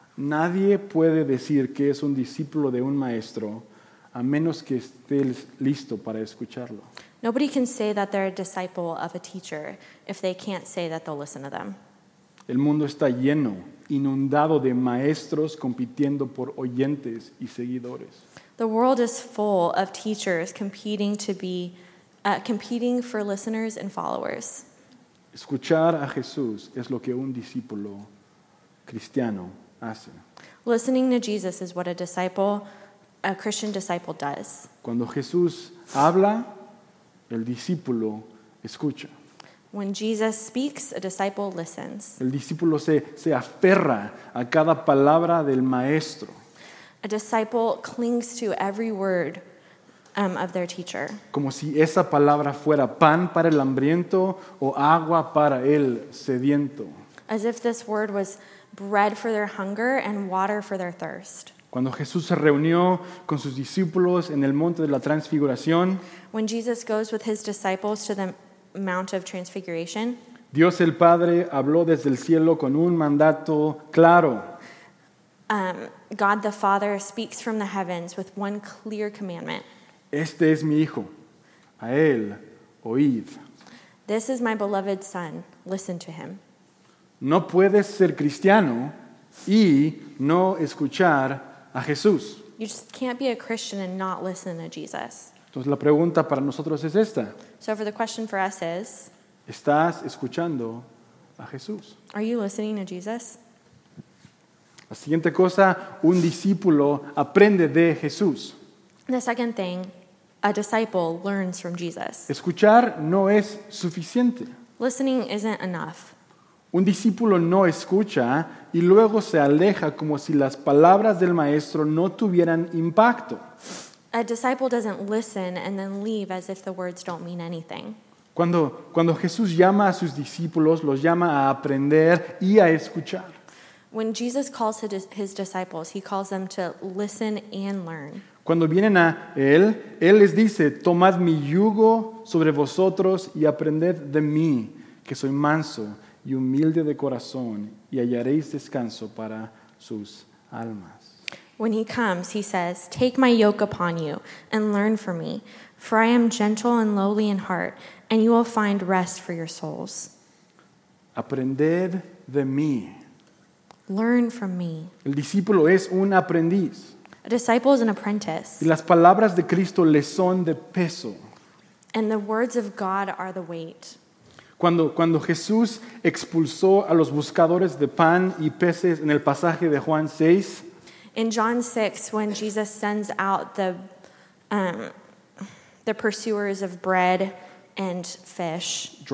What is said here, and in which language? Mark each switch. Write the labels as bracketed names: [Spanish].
[Spanish] Nadie puede decir que es un discípulo de un maestro a menos que esté listo para escucharlo. [English] Nobody can say that they're a disciple of a teacher if they can't say that they'll listen to them. [Spanish] El mundo está lleno, inundado de maestros compitiendo por oyentes y seguidores. [English] The world is full of teachers competing to be competing for listeners and followers. [Spanish] Escuchar a Jesús es lo que un discípulo cristiano hace. [English] Listening to Jesus is what a disciple, a Christian disciple does. [Spanish] Cuando Jesús habla, el discípulo escucha. [English] When Jesus speaks, a disciple listens. [Spanish] El discípulo se aferra a cada palabra del maestro. [English] A disciple clings to every word of their teacher. [Spanish] Como si esa palabra fuera pan para el hambriento o agua para el sediento. [English] As if this word was bread for their hunger and water for their thirst. [Spanish] Cuando Jesús se reunió con sus discípulos en el monte de la transfiguración, [English] when Jesus goes with his disciples to the Mount of Transfiguration, [Spanish] Dios el Padre habló desde el cielo con un mandato claro. [English] God the Father speaks from the heavens with one clear commandment. [Spanish] Este es mi hijo. A él, oíd. [English] This is my beloved son. Listen to him. [Spanish] No puedes ser cristiano y no escuchar a Jesús. [English] You just can't be a Christian and not listen to Jesus. [Spanish] Entonces la pregunta para nosotros es esta. [English] So for the question for us is, [Spanish] ¿estás escuchando a Jesús? [English] Are you listening to Jesus? [Spanish] La siguiente cosa, un discípulo aprende de Jesús. [English] The second thing, a disciple learns from Jesus. [Spanish] Escuchar no es suficiente. [English] Listening isn't enough. [Spanish] Un discípulo no escucha y luego se aleja como si las palabras del maestro no tuvieran impacto. [English] A disciple doesn't listen and then leave as if the words don't mean anything. [Spanish] Cuando Jesús llama a sus discípulos, los llama a aprender y a escuchar. [English] When Jesus calls his disciples, he calls them to listen and learn. [Spanish] Cuando vienen a él, él les dice, tomad mi yugo sobre vosotros y aprended de mí, que soy manso y humilde de corazón, y hallaréis descanso para sus almas. [English] When he comes, he says, take my yoke upon you and learn from me, for I am gentle and lowly in heart, and you will find rest for your souls. [Spanish] Aprended de mí. [English] Learn from me. [Spanish] El discípulo es un aprendiz. [English] A disciple is an apprentice. [Spanish] Y las palabras de Cristo le son de peso. [English] And the words of God are the weight. [Spanish] Cuando Jesús expulsó a los buscadores de pan y peces en el pasaje de Juan 6. [English] In John 6, when Jesus sends out the pursuers of bread and fish.